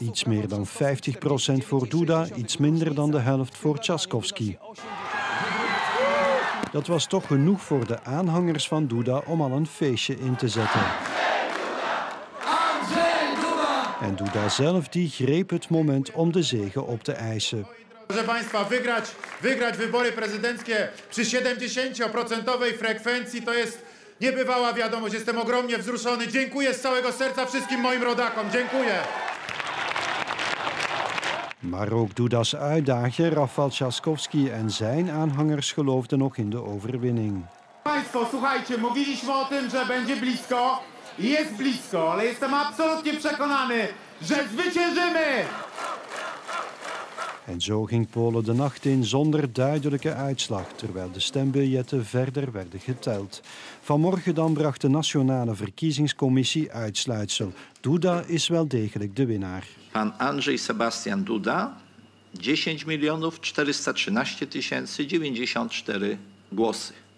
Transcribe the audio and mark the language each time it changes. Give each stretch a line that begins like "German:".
Dutch: Iets meer dan 50% voor Duda, iets minder dan de helft voor Trzaskowski. Dat was toch genoeg voor de aanhangers van Duda om al een feestje in te zetten.
Polish: Andrzej Duda!
Dutch: En Duda zelf die greep het moment om de zege op te eisen.
Polish: Proszę Państwa, wygrać wybory prezydenckie przy 70% frekwencji to jest niebywała wiadomość. Jestem ogromnie wzruszony. Dziękuję z całego serca wszystkim moim rodakom. Dziękuję.
Dutch: Maar ook Duda's uitdager Rafał Trzaskowski en zijn aanhangers geloofden nog in de overwinning.
Polish: Państwo, słuchajcie, mówiliśmy o tym, że będzie blisko. jest blisko, ale jestem absolutnie przekonany, że zwyciężymy!
Dutch: En zo ging Polen de nacht in zonder duidelijke uitslag, terwijl de stembiljetten verder werden geteld. Vanmorgen dan bracht de Nationale Verkiezingscommissie uitsluitsel. Duda is wel degelijk de winnaar.
Polish: Pan Andrzej Sebastian Duda, 10.413.094 głosy.